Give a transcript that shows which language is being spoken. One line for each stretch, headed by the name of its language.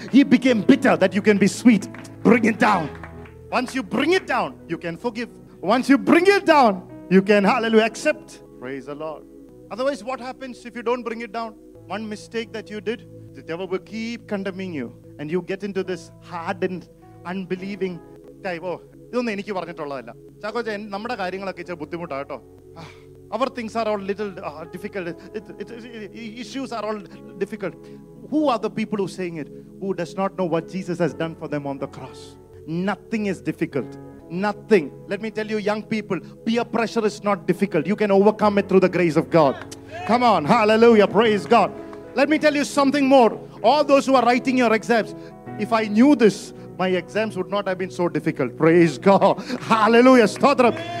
English: He became bitter that you can be sweet. Bring it down. Once you bring it down, you can forgive. Once you bring it down, you can, hallelujah, accept. Praise the Lord. Otherwise, what happens if you don't bring it down? One mistake that you did, the devil will keep condemning you. And you get into this hardened, unbelieving type.
Malayalam: ഇതൊന്നും എനിക്ക് പറഞ്ഞിട്ടുള്ളതല്ല ചാക്കോച്ച. നമ്മുടെ കാര്യങ്ങളൊക്കെ ഇച്ചിരി ബുദ്ധിമുട്ടാണ് കേട്ടോ.
English: Our things are all little difficult, issues are all difficult. Who are the people who saying it? Who does not know what Jesus has done for them on the cross. Nothing is difficult. Nothing. Let me tell you, young people, peer pressure is not difficult. You can overcome it through the grace of God. Come on. Hallelujah. Praise God. Let me tell you something more. All those who are writing your exams, if I knew this, my exams would not have been so difficult. Praise God. Hallelujah. Stotram.